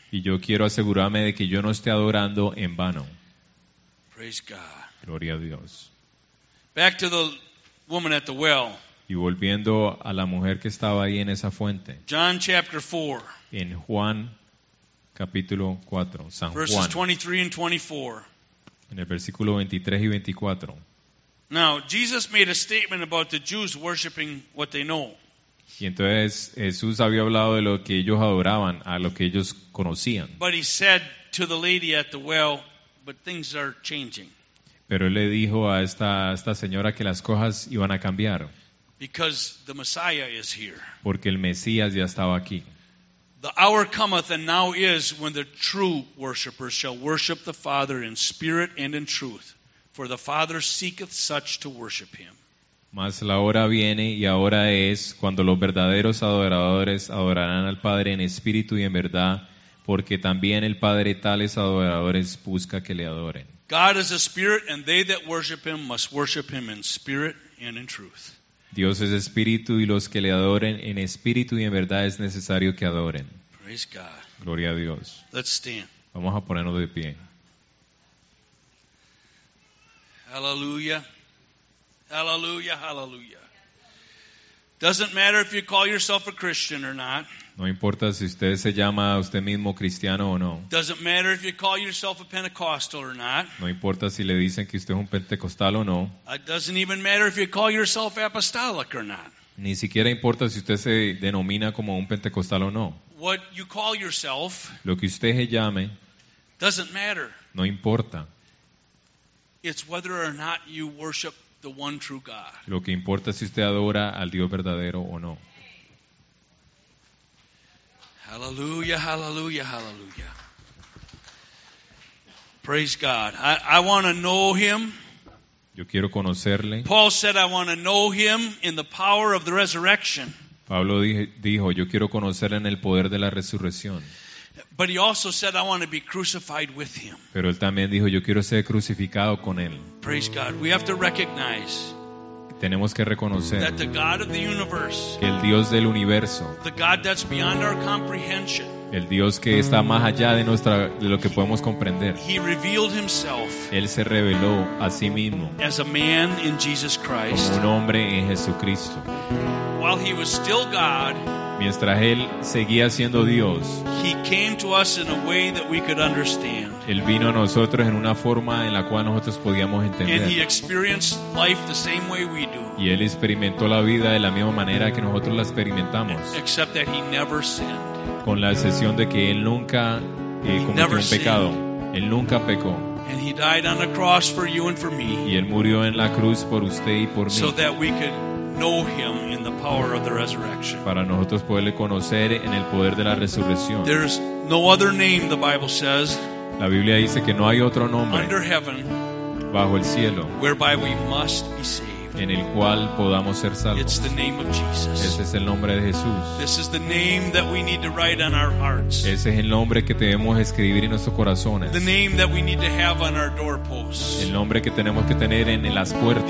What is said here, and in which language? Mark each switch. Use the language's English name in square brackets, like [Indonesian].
[Spanish] Y yo quiero asegurarme de que yo no esté adorando en vano. [English] Praise God. [Spanish] Gloria a Dios. [English] Back to the woman at the well. [Spanish] Y volviendo a la mujer que estaba ahí en esa fuente. [English] John chapter 4. [Spanish] En Juan capítulo 4, San [English] Juan. Verses 23 and 24. [Spanish] En el versículo 23 y 24. [English] Now, Jesus made a statement about the Jews worshiping what they know. [Spanish] Y entonces Jesús había hablado de lo que ellos adoraban, a lo que ellos conocían. [English] But he said to the lady at the well, but things are changing. [Spanish] Pero él le dijo a esta señora que las cosas iban a cambiar. [English] Because the Messiah is here. [Spanish] Porque el Mesías ya estaba aquí. [English] The hour cometh and now is when the true worshipers shall worship the Father in spirit and in truth. For the Father seeketh such to worship him. [Spanish] Mas la hora viene y ahora es cuando los verdaderos adoradores adorarán al Padre en espíritu y en verdad, porque también el Padre tales adoradores busca que le adoren. [English] God is a spirit and they that worship him must worship him in spirit and in truth. [Spanish] Dios es espíritu y los que le adoren en espíritu y en verdad es necesario que adoren. [English] Praise God. [Spanish] Gloria a Dios. [English] Let's stand. [Spanish] Vamos a ponernos de pie. [English] Aleluya. Hallelujah, hallelujah. Doesn't matter if you call yourself a Christian or not. [Spanish] No importa si usted se llama a usted mismo cristiano o no. [English] Doesn't matter if you call yourself a Pentecostal or not. [Spanish] No importa si le dicen que usted es un pentecostal o no. [English] It doesn't even matter if you call yourself apostolic or not. [Spanish] Ni siquiera importa si usted se denomina como un pentecostal o no. [English] What you call yourself, [Spanish] lo que usted se llame, [English] doesn't matter. [Spanish] No importa. [English] It's whether or not you worship the one true God. [Spanish] Lo que importa es si usted adora al Dios verdadero o no. [English] Hallelujah, hallelujah, hallelujah. Praise God. I want to know him. [Spanish] Yo quiero conocerle. [English] Paul said I want to know him in the power of the resurrection. [Spanish] Pablo dijo, yo quiero conocerle en el poder de la resurrección. [English] But he also said I want to be crucified with him. [Spanish] Pero él también dijo, yo quiero ser crucificado con él. [English] Praise God. We have to recognize. [Spanish] Tenemos que reconocer [English] that the God of the universe, [Spanish] que el Dios del universo, [English] the God that's beyond our comprehension, [Spanish] el Dios que está más allá de nuestra de lo que podemos comprender. [English] He revealed himself. [Spanish] Él se reveló a sí mismo. [English] As a man in Jesus Christ. [Spanish] Como un hombre en Jesucristo. [English] While he was still God, [Spanish] mientras él seguía siendo Dios, [English] he came to us in a way that we could understand. [Spanish] Él vino a nosotros en una forma en la cual nosotros podíamos entender. [English] And he experienced life the same way we do. [Spanish] Y él experimentó la vida de la misma manera que nosotros la experimentamos. [English] Except that he never sinned. [Spanish] Con la excepción de que él nunca cometió un pecado. Él nunca pecó. [English] And he died on the cross for you and for me. [Spanish] Y él murió en la cruz por usted y por mí. [English] So that we could know him in the power of the resurrection. [Spanish] Para nosotros poderle conocer en el poder de la resurrección. [English] There's no other name, the Bible says. [Spanish] La Biblia dice que no hay otro nombre. [English] Under heaven. [Spanish] Bajo el cielo. [English] Whereby we must be saved. [Spanish] En el cual podamos ser salvos. [English] It's the name of Jesus. [Spanish] Ese es el nombre de Jesús. [English] This is the name that we need to write on our hearts. [Spanish] Ese es el nombre que debemos escribir en nuestros corazones. [English] The name that we need to have on our doorposts. [Spanish] El nombre que tenemos que tener en las puertas.